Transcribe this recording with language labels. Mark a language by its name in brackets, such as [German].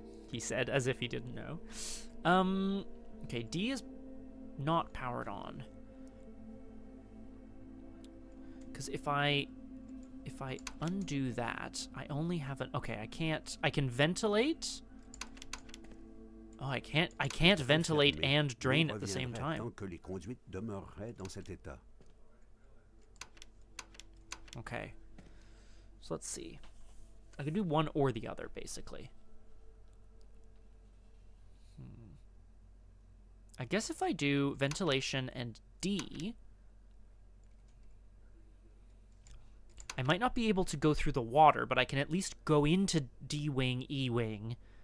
[English] He said, as if he didn't know. Okay, D is not powered on. Because if I if I undo that, I only have an... Okay, I can't... I can ventilate? Oh, I can't ventilate and drain at the same time. [French] Tant que les conduites demeureraient dans cet état. [English] Okay. So let's see. I can do one or the other, basically. I guess if I do ventilation and D, I might not be able to go through the water, but I can at least go into D-wing, E-wing.